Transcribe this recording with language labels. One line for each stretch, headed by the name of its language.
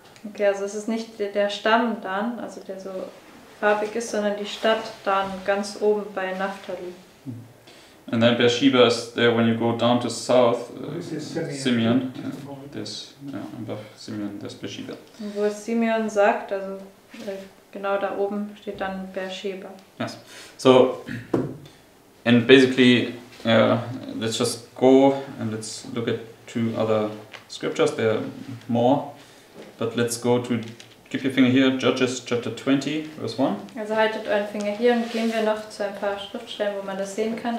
German: Okay, also es ist nicht der Stamm Dan, also der so farbig ist, sondern die Stadt Dan, ganz oben bei Naphtali.
English: And then Beersheba is there when you go down to south, Simeon. There's, yeah, above Simeon, there's Beersheba.
German: Und wo es Simeon sagt, also genau da oben steht dann Beersheba.
English: Yes. So, and basically, let's just go and let's look at two other scriptures. There are more, but let's go to, keep your finger here, Judges chapter 20, verse 1.
German: Also haltet euren Finger hier und gehen wir noch zu ein paar Schriftstellen, wo man das sehen kann.